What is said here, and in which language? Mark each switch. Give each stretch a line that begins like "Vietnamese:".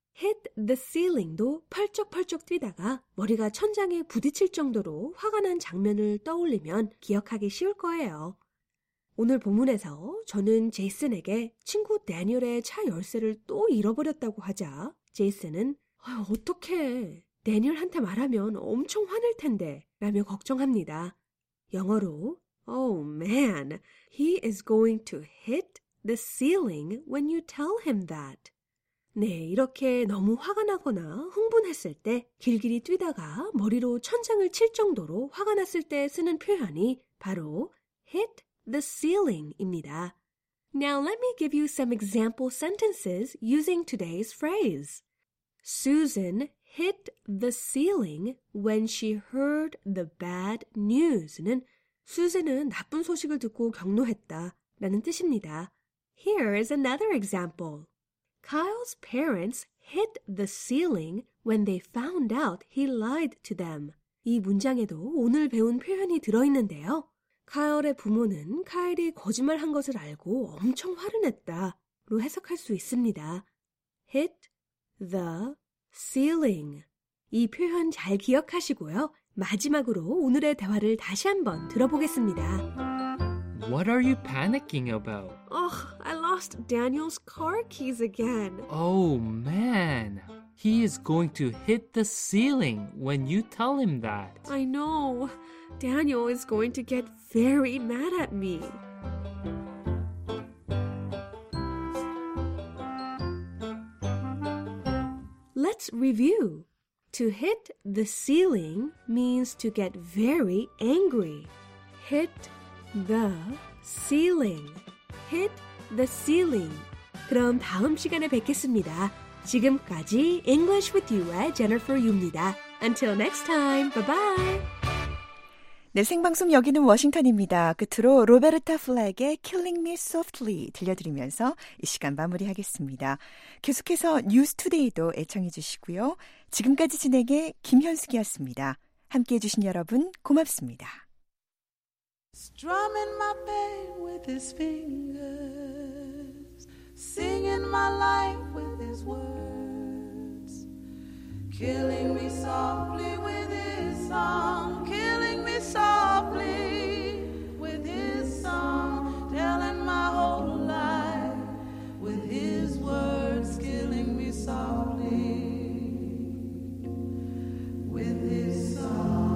Korean: Hit the ceiling도 펄쩍펄쩍 뛰다가 머리가 천장에 부딪힐 정도로 화가 난 장면을 떠올리면 기억하기 쉬울 거예요. 오늘 본문에서 저는 제이슨에게 친구 대니얼의 차 열쇠를 또 잃어버렸다고 하자 제이슨은 어떡해, 대니얼한테 말하면 엄청 화낼 텐데 라며 걱정합니다. 영어로
English: Oh man, he is going to hit the ceiling when you tell him that.
Korean: 네, 이렇게 너무 화가 나거나 흥분했을 때 길길이 뛰다가 머리로 천장을 칠 정도로 화가 났을 때 쓰는 표현이 바로 hit the ceiling입니다.
English: Now let me give you some example sentences using today's phrase. Susan hit the ceiling when she heard the bad news는
Korean: 수진은 나쁜 소식을 듣고 격노했다 라는 뜻입니다.
English: Here is another example. Kyle's parents hit the ceiling when they found out he lied to them.
Korean: 이 문장에도 오늘 배운 표현이 들어있는데요. Kyle의 부모는 카일이 거짓말한 것을 알고 엄청 화를 냈다로 해석할 수 있습니다.
English: Hit the ceiling.
Korean: 이 표현 잘 기억하시고요. 마지막으로 오늘의 대화를 다시 한번 들어보겠습니다.
English: What are you panicking about? Ugh, I lost Daniel's car keys again. Oh man, he is going to hit the ceiling when you tell him that. I know. Daniel is going to get very mad at me. Let's review. To hit the ceiling means to get very angry. Hit the ceiling. Hit the ceiling.
Korean: 그럼 다음 시간에 뵙겠습니다. 지금까지 English with You의 Jennifer Yu입니다.
English: Until next time, bye-bye.
Korean: 네, 생방송 여기는 워싱턴입니다. 끝으로 로베르타 플렉의 Killing Me Softly 들려드리면서 이 시간 마무리하겠습니다. 계속해서 뉴스 투데이도 애청해 주시고요. 지금까지 진행해 김현숙이었습니다. 함께해 주신 여러분 고맙습니다.
English: Strumming my pain with his fingers, singing my life with his words, killing me softly with his song, killing me softly with his song, telling my whole life with his words, killing me softly with his song.